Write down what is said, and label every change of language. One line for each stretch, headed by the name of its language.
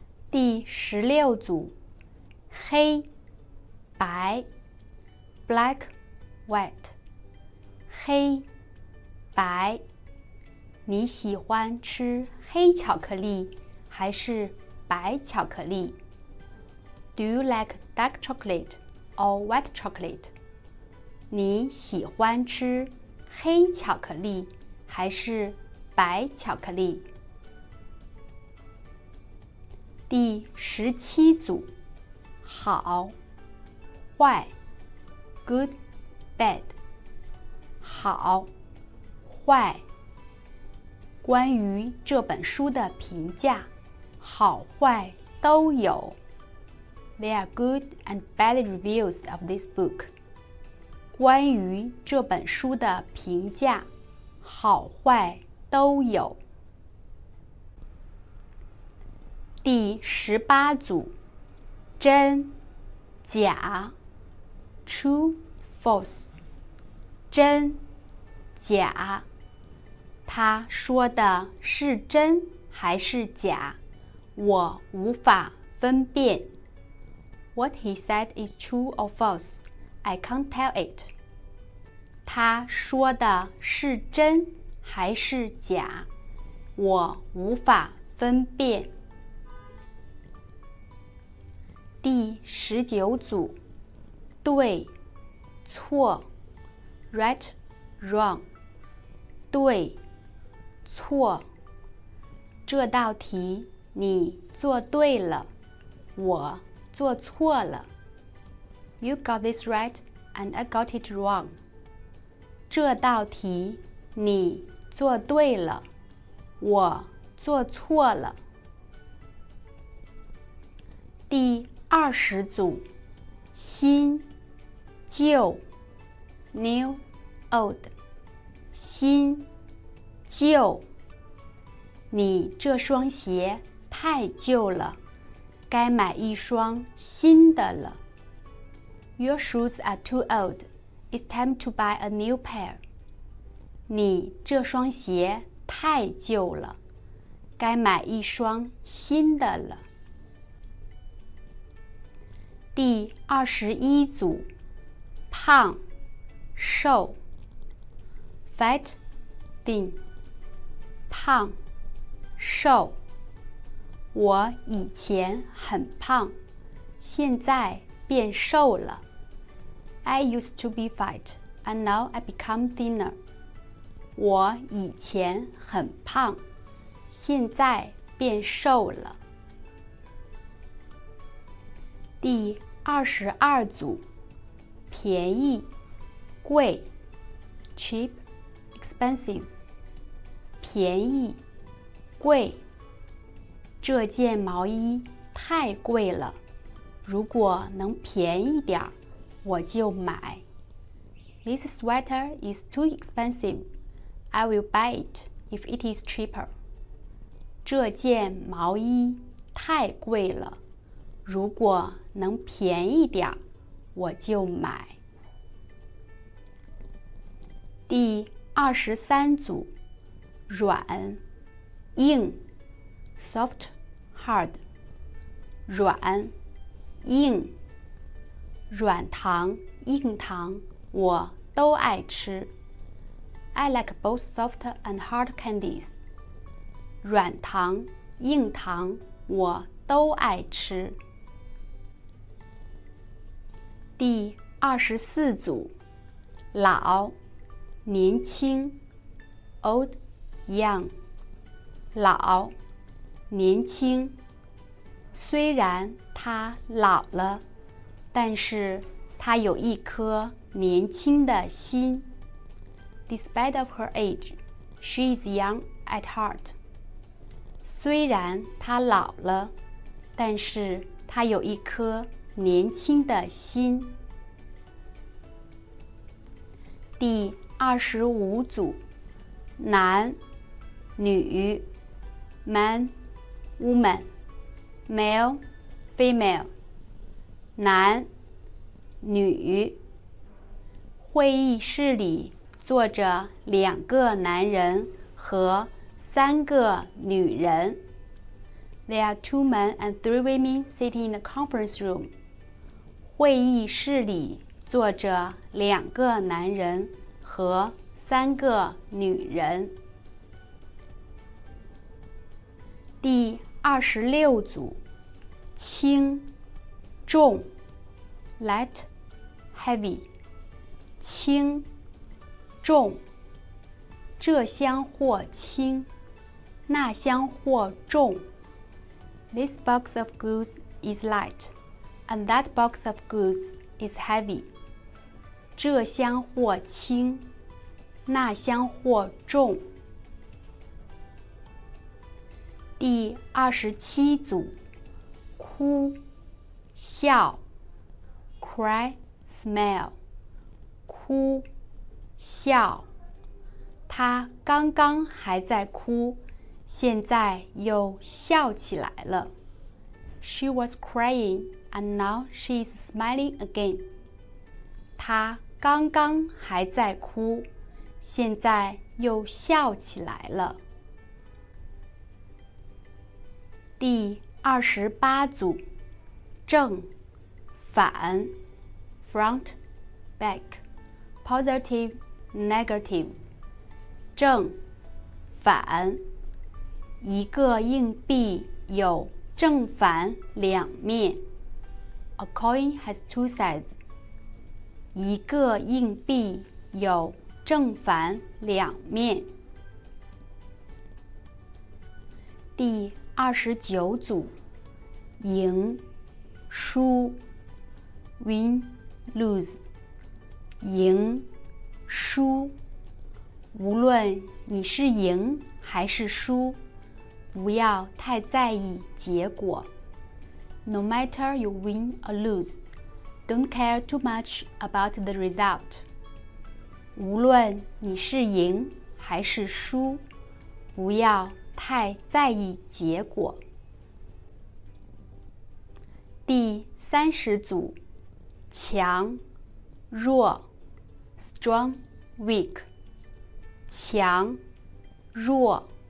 Chinese: 第十六组，黑、白 ，
English: black, white，
Chinese: 黑、白。你喜欢吃黑巧克力还是白巧克力？
English: Do you like dark chocolate or white chocolate?
Chinese: 你喜欢吃黑巧克力还是白巧克力？第十七组，好、坏、
English: good、bad、
Chinese: 好、坏。关于这本书的评价，好坏都有。
English: There are good and bad reviews of this book.
Chinese: 关于这本书的评价，好坏都有。第十八组，真、假 ，
English: true, false，
Chinese: 真、假，他说的是真还是假，我无法分辨。
English: What he said is true or false, I can't tell it.
Chinese: 他说的是真还是假，我无法分辨。第十九组，对错 ，
English: right wrong，
Chinese: 对错，这道题你做对了，我做错了。
English: You got this right, and I got it wrong。
Chinese: 这道题你做对了，我做错了。第二十组，新旧 ，
English: new old，
Chinese: 新旧，你这双鞋太旧了，该买一双新的了。
English: Your shoes are too old. It's time to buy a new pair.
Chinese: 你这双鞋太旧了，该买一双新的了。第二十一组，胖，瘦 ，
English: fat, thin，
Chinese: 胖，瘦。我以前很胖，现在变瘦了。
English: I used to be fat, and now I become thinner.
Chinese: 我以前很胖，现在变瘦了。第二十二组，便宜，贵 ，
English: cheap, expensive，
Chinese: 便宜，贵。这件毛衣太贵了，如果能便宜点儿，我就买。
English: This sweater is too expensive. I will buy it if it is cheaper.
Chinese: 这件毛衣太贵了。如果能便宜点，我就买。第二十三组，软，硬 ，
English: soft, hard，
Chinese: 软，硬，软糖、硬糖我都爱吃。
English: I like both soft and hard candies.
Chinese: 软糖、硬糖我都爱吃。第二十四组，老，年轻 ，
English: old, young，
Chinese: 老，年轻。虽然他老了，但是他有一颗年轻的心。
English: Despite of her age, she is young at heart.
Chinese: 虽然他老了，但是他有一颗年轻的心。第二十五组，男，女 ，
English: man, woman, male, female，
Chinese: 男，女。会议室里坐着两个男人和三个女人。
English: There are two men and three women sitting in the conference room.
Chinese: 会议室里坐着两个男人和三个女人。第二十六组，轻重 ，
English: light heavy，
Chinese: 轻重。这箱货轻，那箱货重。
English: This box of goods is light, and that box of goods is heavy.
Chinese: 这箱货轻，那箱货重。第二十七组，哭，笑 ，
English: cry, smile，
Chinese: 哭，笑。他刚刚还在哭，现在又笑起来了。
English: She was crying, and now she is smiling again.
Chinese: 他刚刚还在哭，现在又笑起来了。第二十八组，正，反 ，
English: front, back, positive, negative，
Chinese: 正，反。一个硬币有正反两面。
English: A coin has two sides。
Chinese: 一个硬币有正反两面。第二十九组，赢，输 ，
English: win, lose，
Chinese: 赢，输。无论你是赢还是输，不要太在意结果。
English: No matter you win or lose, don't care too much about the result.
Chinese: 无论你是赢还是输，不要太在意结果。第三十组，强，弱 ，
English: strong, weak，
Chinese: 强，弱。